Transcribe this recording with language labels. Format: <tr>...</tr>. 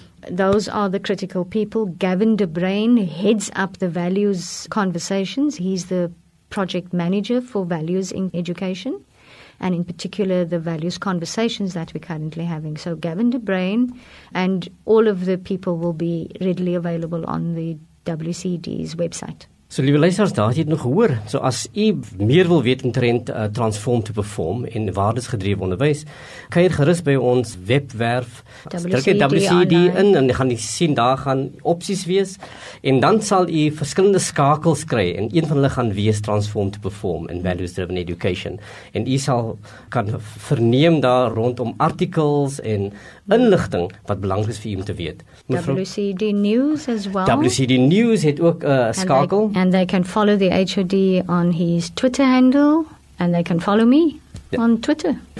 <en>Those are the critical people. Gavin De Brain heads up the values conversations. He's the project manager for values in education, and in particular the values conversations that we're currently having. So Gavin De Brain and all of the people will be readily available on the WCD's website.</en> <af>So, liewe luisteraars, daar het jy nog gehoor. So, as jy meer wil weet omtrent Transform to Perform en waardesgedrewe onderwys, kuier gerus by ons webwerf. Druk jy WCD in en jy gaan sien, daar gaan opsies wees. En dan sal jy verskillende skakels kry en een van hulle gaan wees Transform to Perform in Values Driven Education. En jy sal kan verneem daar rondom artikels en inligting wat belangrik is vir jy om te weet.</af> <en>WCD News as well.</en> <af>WCD News het ook skakel.</af> <en>And they can follow the HOD on his Twitter handle, and they can follow me on Twitter.</en>